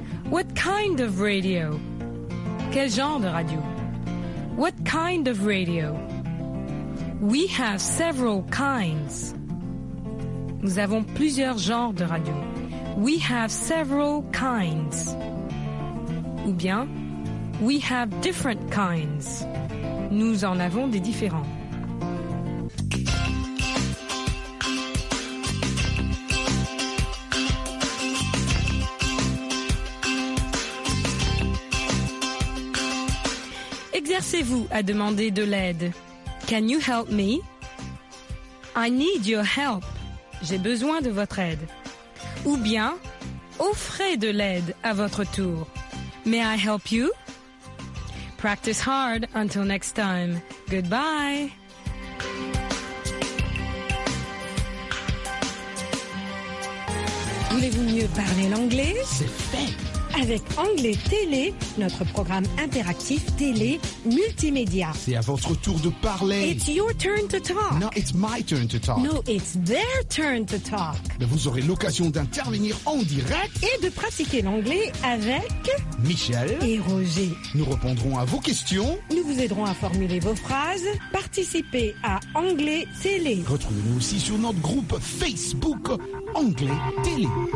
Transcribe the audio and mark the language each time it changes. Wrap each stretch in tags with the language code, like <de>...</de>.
<en>What kind of radio?</en> <fr>Quel genre de radio?</fr> <en>What kind of radio? We have several kinds.</en> <fr>Nous avons plusieurs genres de radio.</fr> <en>We have several kinds.</en> <fr>Ou bien...</fr> <en>We have different kinds.</en> <fr>Nous en avons des différents. exercez-vous à demander de l'aide.</fr> <en>Can you help me? I need your help.</en> <fr>J'ai besoin de votre aide. Ou bien, offrez de l'aide à votre tour.</fr> <en>May I help you? Practice hard until next time. Goodbye.</en> <fr>Voulez-vous mieux parler l'anglais? C'est fait! Avec Anglais Télé, notre programme interactif télé multimédia. C'est à votre tour de parler.</fr> <en>It's your turn to talk. No, it's my turn to talk. No, it's their turn to talk.</en> <fr>Mais vous aurez l'occasion d'intervenir en direct. Et de pratiquer l'anglais avec... Michel. Et Roger. Nous répondrons à vos questions. Nous vous aiderons à formuler vos phrases. Participez à Anglais Télé. Retrouvez-nous aussi sur notre groupe Facebook Anglais Télé.</fr>